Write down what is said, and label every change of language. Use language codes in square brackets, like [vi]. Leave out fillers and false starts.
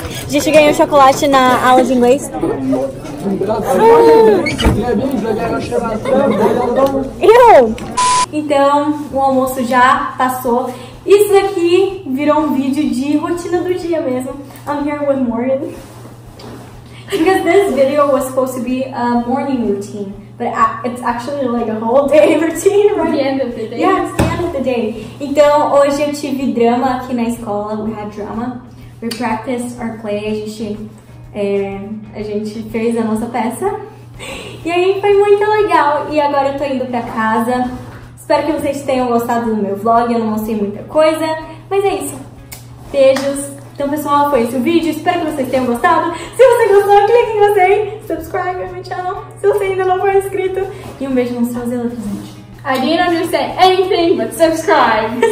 [pt] A gente ganhou chocolate na aula de inglês. Então o almoço já passou. Isso aqui virou um vídeo de rotina do dia mesmo. [en] I'm here with Morgan. Because this video was supposed to be a morning routine, but it's actually like a whole day routine, right? The end of the day. Yeah, it's the end of the day. [pt] Então, hoje eu tive drama aqui na escola. [en] We had drama. We practiced our play. [pt] A gente fez a nossa peça. E aí foi muito legal. E agora eu tô indo pra casa. Espero que vocês tenham gostado do meu vlog. Eu não mostrei muita coisa, mas é isso. Beijos. Então, pessoal, foi esse o vídeo. Espero que vocês tenham gostado. Se você gostou, clique em gostei. Subscribe no meu canal, se você ainda não for inscrito. E um beijo nos seus eletros, gente. [en] I didn't understand anything, but subscribe.